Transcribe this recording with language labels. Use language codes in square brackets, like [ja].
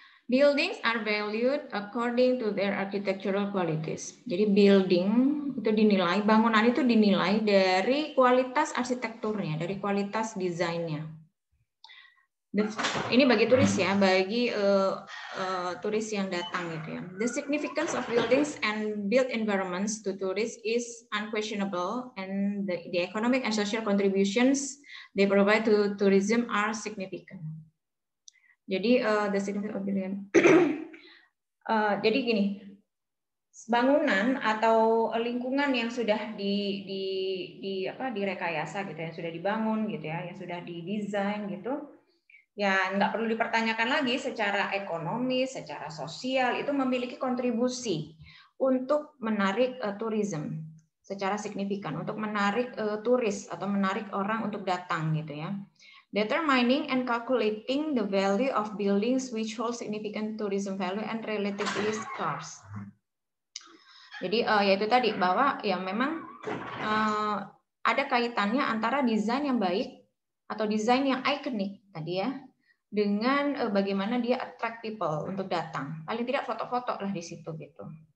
[en] Buildings are valued according to their architectural qualities. [id] Jadi building itu dinilai, bangunan itu dinilai dari kualitas arsitekturnya, dari kualitas desainnya. Ini bagi turis ya, bagi turis yang datang gitu ya. [en] The significance of buildings and built environments to tourists is unquestionable, and the economic and social contributions they provide to tourism are significant. [id] Jadi [en] the significance of building. [id] Jadi gini, bangunan atau lingkungan yang sudah di apa direkayasa gitu ya, yang sudah dibangun gitu ya, yang sudah didesain gitu. Ya, enggak perlu dipertanyakan lagi secara ekonomi, secara sosial itu memiliki kontribusi untuk menarik tourism secara signifikan, untuk menarik turis atau menarik orang untuk datang gitu ya. [en] Determining and calculating the value of buildings which hold significant tourism value and relatively scarce. [id] Jadi yaitu tadi bahwa ya memang ada kaitannya antara desain yang baik atau desain yang ikonik tadi ya dengan bagaimana dia [en] attract people [id] untuk datang. Paling tidak foto-foto lah di situ gitu.